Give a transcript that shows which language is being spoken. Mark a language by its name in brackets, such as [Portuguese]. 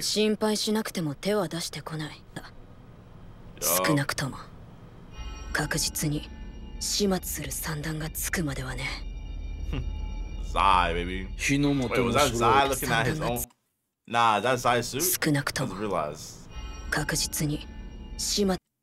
[Japanese] 心配しなくても手は出してこない。少なくとも確実に始末する算段がつくまではね. [English] Zai, baby. Wait, was that Zai looking at his own? Nah, that's Zai's suit. [Japanese] 少なくとも確実に始末.